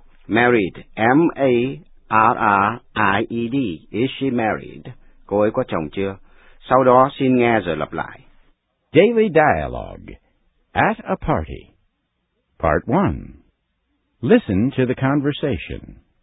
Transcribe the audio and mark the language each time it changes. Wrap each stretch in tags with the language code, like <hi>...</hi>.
<en>Married, M-A-R-R-I-E-D, is she married?</en> <vi>Cô ấy có chồng chưa? Sau đó xin nghe rồi lặp lại.</vi> <en>Daily Dialogue, at a party. Part 1. Listen to the conversation.</en>